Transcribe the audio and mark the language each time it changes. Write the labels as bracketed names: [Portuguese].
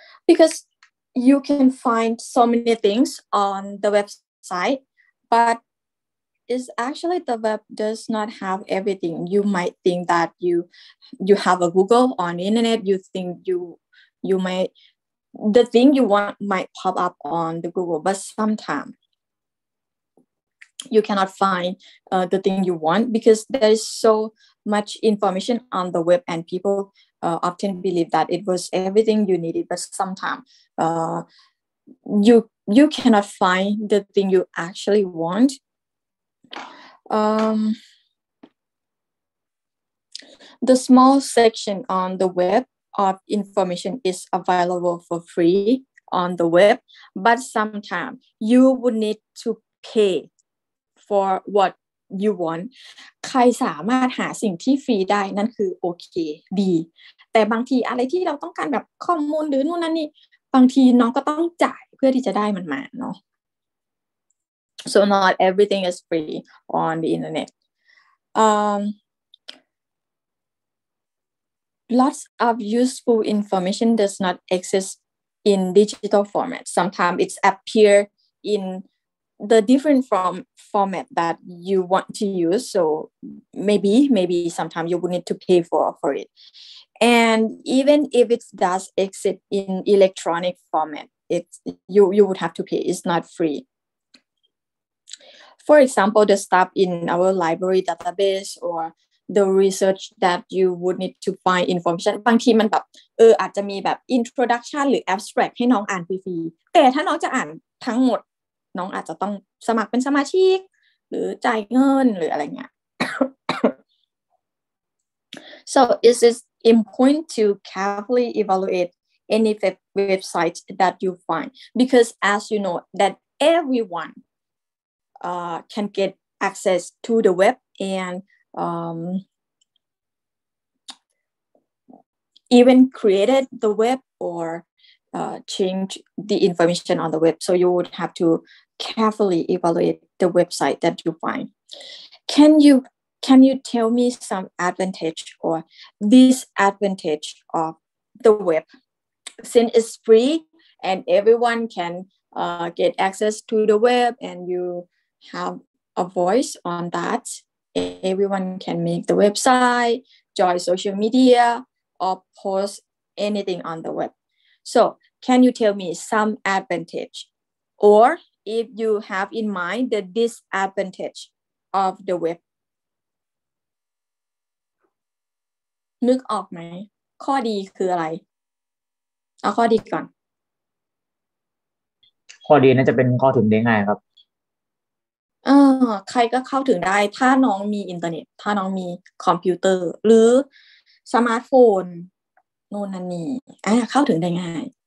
[English] because you can find so many things on the website but is actually the web does not have everything. You might think that you have a Google on the internet, you think you you might the thing you want might pop up on the Google, but sometimes you cannot find the thing you want because there is so much information on the web, and people often believe that it was everything you needed, but sometimes you cannot find the thing you actually want. The small section on the web of information is available for free on the web, but sometimes you would need to pay for what you want. [Thai] ใครสามารถหาสิ่งที่ฟรีได้นั่นคือโอเคดีแต่บางทีอะไรที่เราต้องการแบบข้อมูลหรือนู่นนั่นนี่บางทีน้องก็ต้องจ่ายเพื่อที่จะได้มันมาเนาะ [English] so not everything is free on the internet. Lots of useful information does not exist in digital format. Sometimes it's appear in the different format that you want to use. So maybe sometimes you would need to pay for it. And even if it does exist in electronic format, you would have to pay. It's not free. For example, the stuff in our library database or the research that you would need to find information [Thai] บางทีมันแบบอาจจะมีแบบ introduction หรือ abstract ให้น้องอ่านฟรีแต่ถ้าน้องจะอ่านทั้งหมด น้องอาจจะต้องสมัครเป็นสมาชิกหรือจ่ายเงินหรืออะไรเงี้ย [English] so is it important to carefully evaluate any website that you find because as you know that everyone can get access to the web andeven created the web or change the information on the web. So you would have to carefully evaluate the website that you find. Can you tell me some advantage or disadvantage of the web? Since it's free and everyone can get access to the web and you have a voice on that,Everyone can make the website, join social media, or post anything on the web. So, can you tell me some advantage? Or if you have in mind the disadvantage of the web? [Thai] นึกออกไหมข้อดีคืออะไรเอาข้อดีก่อน ข้อดีน่าจะเป็นข้อถึงได้ง่ายครับ ใครก็เข้าถึงได้ถ้าน้องมีอินเทอร์เน็ตถ้าน้องมีคอมพิวเตอร์หรือสมาร์ทโฟนนู่นนั่นนี่เข้าถึงได้ง่าย